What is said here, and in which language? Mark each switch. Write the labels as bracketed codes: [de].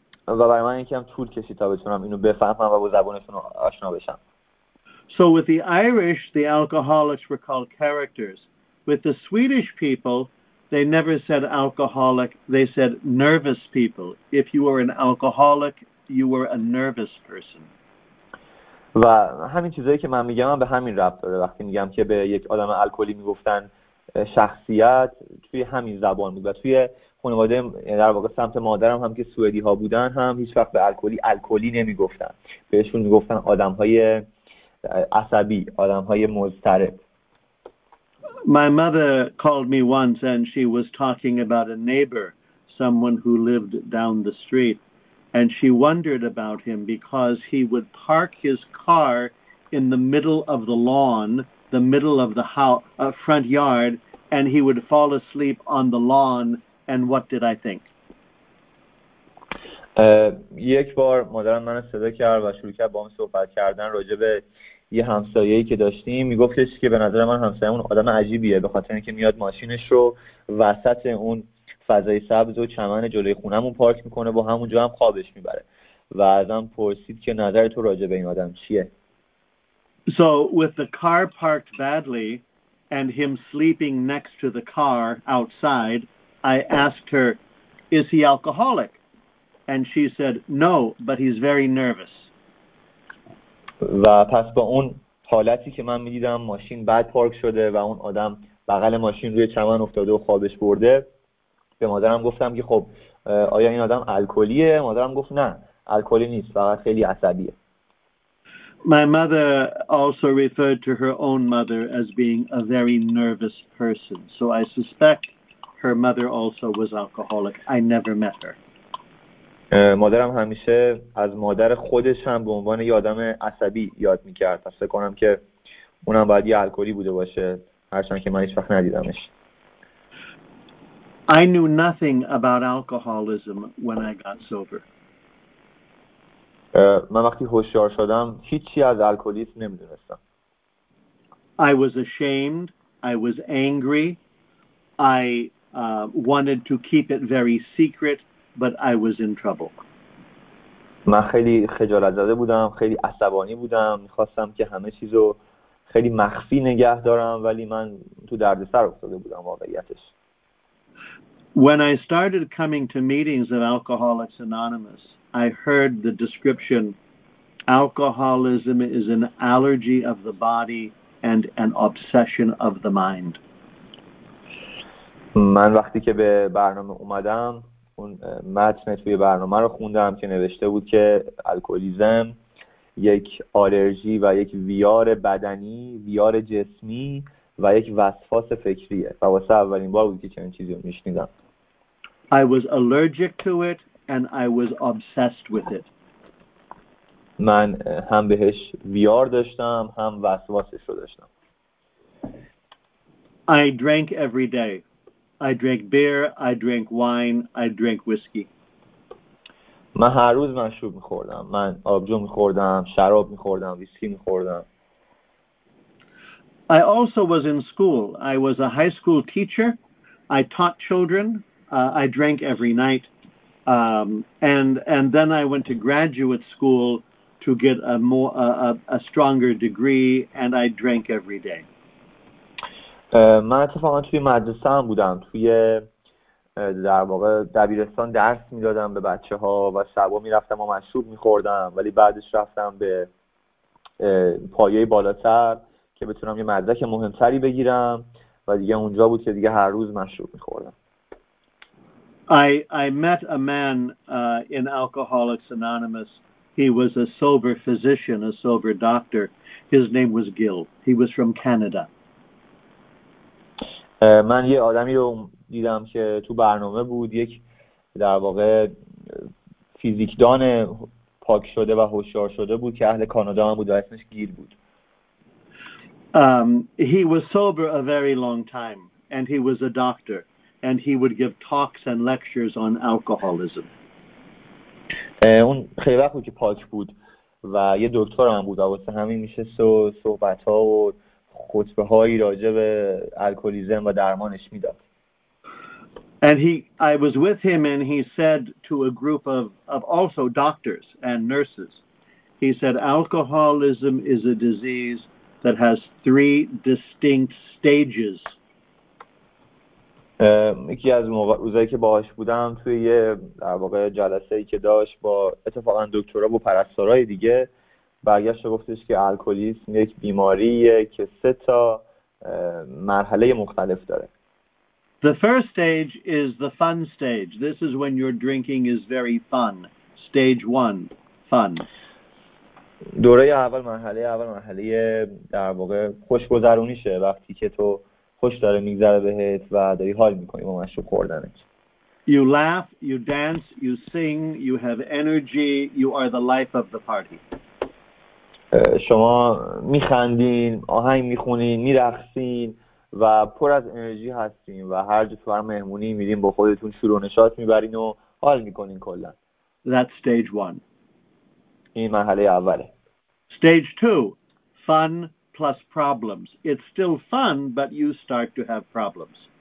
[fa] و برای من یکم طول کشید تا بتونم اینو بفهمم و با زبونشون آشنا بشم. [en] So with the Irish, the alcoholics were called characters. With the Swedish people, they never said alcoholic, they said nervous people. If you were an alcoholic, you were a nervous person. [fa] و همین چیزایی که من میگم به همین ربط داره. وقتی میگم که به یک آدم الکلی میگفتن شخصیت، توی همین زبان بود. و توی خانواده در واقع سمت مادرم هم که سوئدی ها بودن، هم هیچ وقت به الکلی الکلی نمیگفتن، بهشون میگفتن آدم های عصبی، آدم های مضطرب. [en] My mother called me once and she was talking about a neighbor, someone who lived down the street, and she wondered about him because he would park his car in the middle of the lawn the middle of the house, front yard, and he would fall asleep on the lawn, and what did I think? [fa] یک بار مادرم منو صدا کرد و شروع کرد با هم صحبت کردن راجع به یه همسایه‌ای که داشتیم. میگفتش که به نظر من همسایه‌مون آدم عجیبیه به خاطر اینکه میاد ماشینش رو وسط اون فضای سبز و چمن جلوی خونمون پارک میکنه و همونجا هم خوابش میبره. و ازم پرسید که نظر تو راجع به این آدم چیه؟ [en] So with the car parked badly and him sleeping next to the car outside, I asked her, is he alcoholic? And she said, no, but he's very nervous. [fa] و پس با اون حالتی که من میدیدم ماشین بد پارک شده و اون آدم بغل ماشین روی چمن افتاده و خوابش برده به مادرم گفتم که خب آیا این آدم الکلیه؟ مادرم گفت نه الکلی نیست فقط خیلی عصبیه. [en] My mother also referred to her own mother as being a very nervous person. So I suspect her mother also was alcoholic. I never met her. [fa] مادرم همیشه از مادر خودش هم به عنوان یه آدم عصبی یاد میکرد. پس فکر کنم که اونم باید یه الکلی بوده باشه هرچند که من هیچ وقت ندیدمش. [en] I knew nothing about alcoholism when I got sober. [fa] من وقتی هوشیار شدم هیچی از الکلیسم نمیدونستم. [en] I was ashamed. I was angry. I wanted to keep it very secret. But I was in trouble. [fa] من خیلی خجالت زده بودم، خیلی عصبانی بودم، می‌خواستم که همه چیزو خیلی مخفی نگه دارم، ولی من تو دردسر افتاده بودم واقعیتش. [en] When I started coming to meetings of Alcoholics Anonymous, I heard the description, alcoholism is an allergy of the body and an obsession of the mind. [fa] من وقتی که به برنامه اومدم اون متن توی برنامه رو خوندم که نوشته بود که الکلیسم یک آلرژی و یک ویار بدنی، ویار جسمی و یک وسواس فکریه. و واسه اولین بار بود که چنین چیزی رو میشنیدم. [en] I was allergic to it and I was obsessed with it. [fa] من هم بهش ویار داشتم هم وسواسش رو داشتم. [en] I drank every day. I drank beer, I drank wine, I drank whiskey. [fa] من هر روز مشروب می‌خوردم. من آبجو می‌خوردم، شراب می‌خوردم، ویسکی می‌خوردم. [en] I also was in school. I was a high school teacher. I taught children. I drank every night. And then I went to graduate school to get a stronger degree and I drank every day. [fa] من اتفاقا توی مدرسه هم بودم، توی در واقع دبیرستان درس میدادم به بچه ها و شبا میرفتم و مشروب میخوردم، ولی بعدش رفتم به پایه بالاتر که بتونم یه مدرک مهمتری بگیرم و دیگه اونجا بود که دیگه هر روز مشروب میخوردم. [en] I met a man in Alcoholics Anonymous. He was a sober physician, a sober doctor. His name was Gil. He was from Canada. [fa] من یه آدمی رو دیدم که تو برنامه بود، یک در واقع فیزیکدان پاک شده و هوشیار شده بود که اهل کانادا هم بود و اسمش گیل بود. [en] He was sober a very long time and he was a doctor and he would give talks and lectures on alcoholism. [fa] اون خیلی وقت بود که پاک بود و یه دکتر هم بود و واسه همین میشه صحبت ها و خطبه هایی راجع به الکلیسم و درمانش میداد. [en] And I was with him and he said to a group of also doctors and nurses, he said alcoholism is a disease that has three distinct stages. [fa] یکی از روزایی که باهاش بودم توی یه در واقع جلسه‌ای که داشت با اتفاقا دکترها و پرستارای دیگه برگشت و گفتش که الکلیسم یک بیماریه که سه تا مرحله مختلف داره. [en] The first stage is the fun stage. This is when your drinking is very fun. Stage one, fun. [fa] دوره اول، مرحله اول، مرحله در واقع خوشگذرونیشه، وقتی که تو خوش داره میگذره بهت و داری حال میکنی با مشروب خوردنت. [en] You laugh, you dance, you sing, you have energy, you are the life of the party. [fa] شما میخندین، آهنگ میخونین، میرخصین و پر از انرژی هستین و هر جو فرم مهمونی میرین با خودتون شروع نشاط میبرین و حال میکنین کلن. [en] That's stage one. [fa] این مرحله اوله. [en] Stage two, fun plus problems. It's still fun, but you start to have problems.